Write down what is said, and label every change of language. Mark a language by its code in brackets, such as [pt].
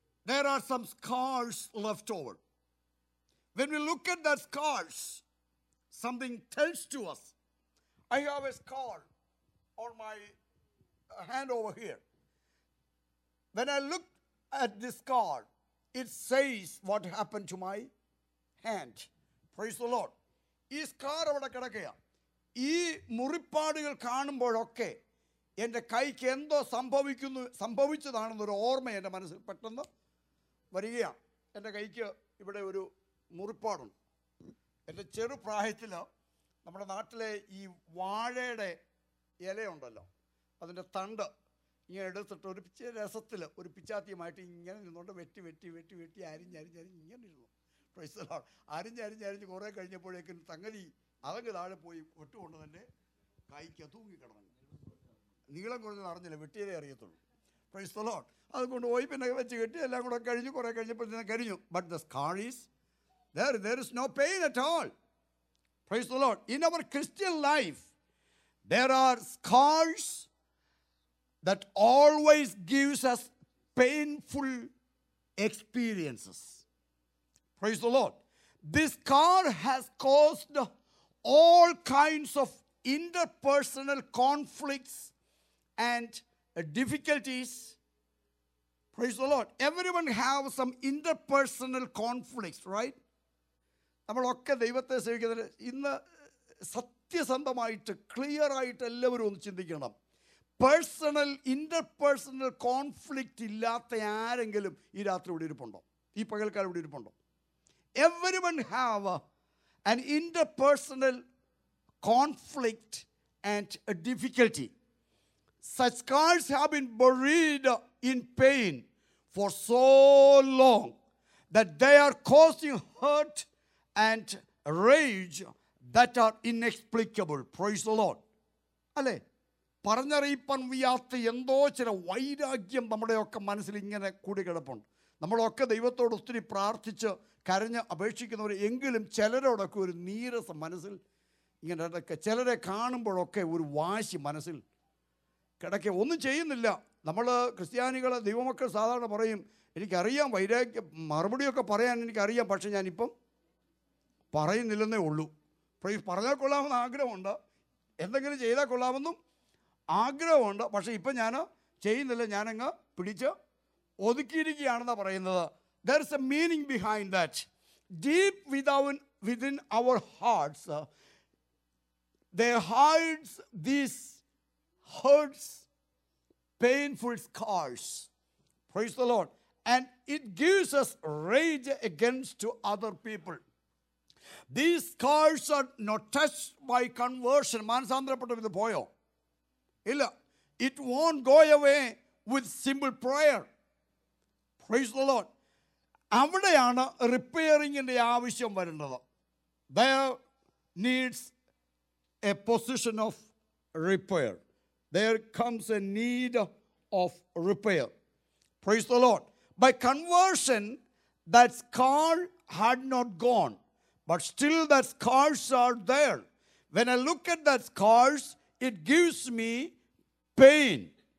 [en] there are some scars left over. When we look at that scars, something tells to us. I have a scar on my hand over here. When I look at this scar, it says what happened to my hand. Praise the Lord. [ml] ഈ scar അവിടെ കിടക്കുകയാണ്. ഈ മുറിപ്പാടുകൾ കാണുമ്പോഴൊക്കെ എൻ്റെ കൈക്ക് എന്തോ സംഭവിക്കുന്നു, സംഭവിച്ചതാണെന്നൊരു ഓർമ്മ എൻ്റെ മനസ്സിൽ പെട്ടെന്ന് വരികയാണ്. എൻ്റെ കൈക്ക് ഇവിടെ ഒരു മുറിപ്പാടുണ്ട്. എൻ്റെ ചെറുപ്രായത്തിൽ നമ്മുടെ നാട്ടിലെ ഈ വാഴയുടെ ഇലയുണ്ടല്ലോ, അതിൻ്റെ തണ്ട് ഇങ്ങനെ എടുത്തിട്ട് ഒരു പിച്ചേ രസത്തിൽ ഒരു പിച്ചാത്തിയുമായിട്ട് ഇങ്ങനെ നിന്നുകൊണ്ട് വെട്ടി വെട്ടി വെട്ടി വെട്ടി അരിഞ്ഞരിഞ്ഞരിഞ്ഞ് ഇങ്ങനെ ഇരുന്നു. [en] Praise the Lord. [ml] അരിഞ്ഞരിഞ്ഞരിഞ്ഞ് കുറേ കഴിഞ്ഞപ്പോഴേക്കും തങ്ങലി അതങ്ങ് താഴെ പോയി ഒട്ടുകൊണ്ട് തന്നെ കൈക്ക് തൂങ്ങിക്കിടന്നു. നീളം കുറഞ്ഞത് അറിഞ്ഞില്ല, വെട്ടിയതേ അറിയത്തുള്ളൂ. [en] Praise the Lord. [ml] അതുകൊണ്ട് പോയി പിന്നെ വെച്ച് കെട്ടി എല്ലാം കൂടെ കഴിഞ്ഞു, കുറേ കഴിഞ്ഞപ്പോൾ തന്നെ കഴിഞ്ഞു. [en] But the scar is there is no pain at all. Praise the Lord. In our Christian life there are scars that always gives us painful experiences. Praise the Lord. This scar has caused all kinds of interpersonal conflicts and difficulties. Praise the Lord. Everyone have some interpersonal conflicts, right? [ml] നമ്മളൊക്കെ ദൈവത്തെ സേവിക്കുന്നത് ഇന്ന് സത്യസന്ധമായിട്ട് clear ആയിട്ട് എല്ലാവരും ഒന്ന് ചിന്തിക്കണം. Personal interpersonal conflict ഇല്ലാത്ത ആരെങ്കിലും ഈ രാത്രി ഇവിടെ ഇരിപ്പുണ്ടോ? ഈ പകൽക്കാലം ഇവിടെ ഇരിപ്പുണ്ടോ? [en] Everyone have an interpersonal conflict and a difficulty. Such scars have been buried in pain for so long that they are causing hurt and rage that are inexplicable. Praise the Lord. [ml] Alle paranjarippan viyathu endo chira vairagyam nammude okka manasil ingane koodi kidappund. നമ്മളൊക്കെ ദൈവത്തോട് ഒത്തിരി പ്രാർത്ഥിച്ച് കരഞ്ഞ് അപേക്ഷിക്കുന്നവർ എങ്കിലും ചിലരോടൊക്കെ ഒരു നീരസം മനസ്സിൽ ഇങ്ങനെ ഇടയ്ക്ക്, ചിലരെ കാണുമ്പോഴൊക്കെ ഒരു വാശി മനസ്സിൽ കിടക്ക, ഒന്നും ചെയ്യുന്നില്ല. നമ്മൾ ക്രിസ്ത്യാനികളെ ദൈവമക്കൾ സാധാരണ പറയും, എനിക്കറിയാം വൈരാഗ്യ മറുപടിയൊക്കെ പറയാൻ എനിക്കറിയാം, പക്ഷേ ഞാനിപ്പം പറയുന്നില്ലെന്നേ ഉള്ളൂ. പ്രൈസ്, പറഞ്ഞാൽ കൊള്ളാമെന്ന് ആഗ്രഹമുണ്ട്, എന്തെങ്കിലും ചെയ്താൽ കൊള്ളാമെന്നും ആഗ്രഹമുണ്ട്, പക്ഷേ ഇപ്പം ഞാൻ ചെയ്യുന്നില്ല. ഞാനങ്ങ് പിടിച്ച് ഒതുക്കിയിരിക്കുകയാണെന്നാണ് പറയുന്നത്. [en] There is a meaning behind that. Deep within our hearts, they hides these hurts, painful scars. Praise the Lord. And it gives us rage against other people. These scars are not touched by conversion. [ml] മാനസാന്തരപ്പെട്ടവർ ഇത് പോയോ? ഇല്ല. [en] It won't go away with simple prayer. Praise the Lord. [ml] അവിടെയാണ് റിപ്പയറിങ്ങിൻ്റെ ആവശ്യം വരുന്നത്. [en] There needs a position of repair. There comes a need of repair. Praise the Lord. By conversion, that scar had not gone. But still that scars are there. When I look at that scars, it gives me pain.